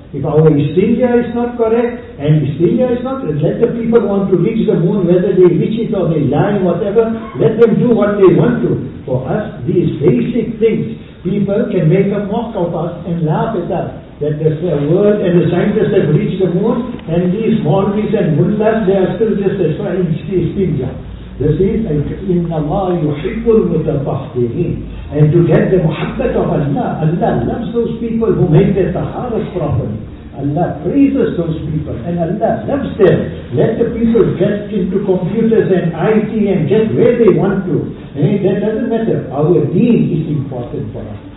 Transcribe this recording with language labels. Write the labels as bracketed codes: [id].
[en] If our istinja is not correct, and istinja is not, let the people want to reach the moon, whether they reach it or they lie, whatever, let them do what they want to. For us, these basic things, people can make a mock of us and laugh at us. That the world and the scientists have reached the moon, and these Maulvis and Mullahs, they are still just as far as istinja. This is, [ar] إِنَّ اللَّهَ يُحِبُّ الْمُتَطَحِّرِينَ. [en] And to get the muhabbat of Allah, Allah loves those people who make their taharas properly. Allah praises those people, and Allah loves them. Let the people get into computers and IT and get where they want to. And that doesn't matter. Our deen is important for us.